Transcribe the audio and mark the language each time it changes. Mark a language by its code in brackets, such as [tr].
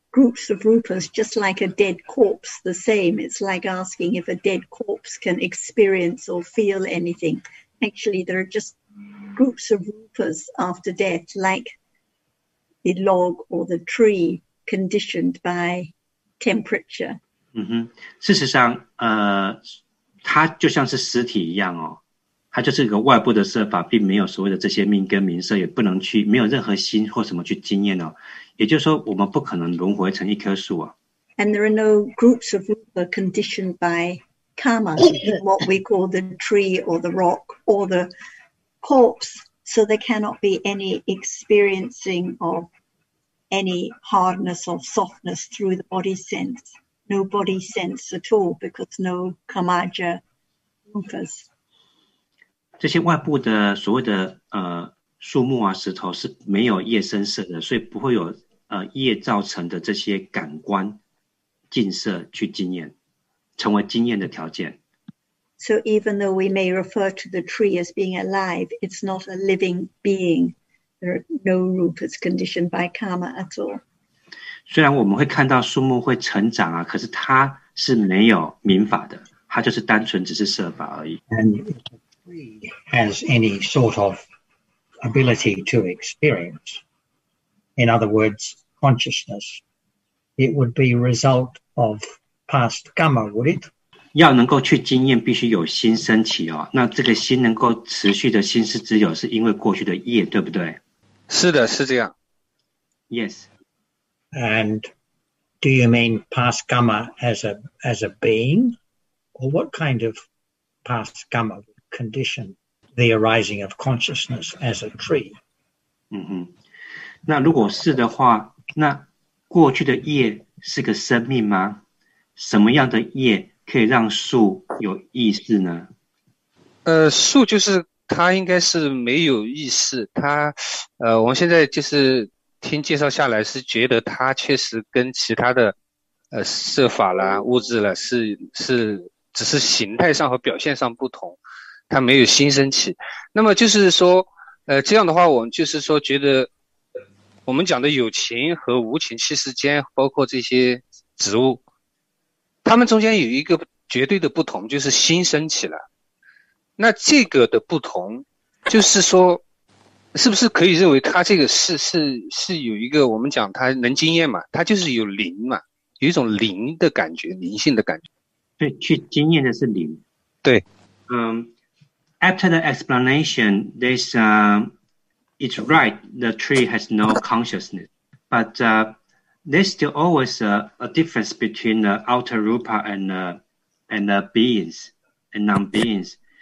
[en] Groups of rupas, just like a dead corpse, the same. It's like asking if a dead corpse can experience or feel anything. Actually, there are just groups of rupas after death, like the log or the tree conditioned by temperature. [zh] 嗯哼，事实上，它就像是实体一样哦，它就是一个外部的色法，并没有所谓的这些命根名色，也不能去没有任何心或什么去经验哦。也就是说我们不可能轮回成一棵树啊。 [en] And there are no groups of rupa conditioned by karma, what we call the tree or the rock or the corpse, so there cannot be any experiencing of any hardness or softness through the body sense, no body sense at all, because no kamaja rupas. [zh] 这些外部的所谓的树木啊石头是没有夜深色的，所以不会有业造成的这些感官净色去经验，成为经验的条件。 [en] So even though we may refer to the tree as being alive, it's not a living being. There are no rupas conditioned by karma at all. [zh] 虽然我们会看到树木会成长啊，可是它是没有明法的，它就是单纯只是色法而已。 [en] And the tree has any sort of ability to experience. In other words, consciousness. It would be a result of past karma, would it? [zh] 要能够去经验，必须有心升起哦。那这个心能够持续的心是只有是因为过去的业，对不对？是的，是这样。 [en] Yes. And do you mean past karma as a being, or what kind of past karma condition the arising of consciousness as a tree? 嗯哼。 [zh] 那如果是的话，那过去的业是个生命吗？什么样的业可以让树有意识呢？树就是它应该是没有意识，它我们现在就是听介绍下来是觉得它确实跟其他的色法啦物质啦是只是形态上和表现上不同，它没有心升起。那么就是说这样的话我们就是说觉得我们讲的有情和无情气世间包括这些植物它们中间有一个绝对的不同就是心升起了那这个的不同就是说是不是可以认为他这个是有一个我们讲他能经验嘛，他就是有灵嘛，有一种灵的感觉，灵性的感觉。对，去经验的是灵。对。 [en] After the explanation, this, it's right, the tree has no consciousness. But, there's still always a difference between the outer rupa and the beings and non-beings.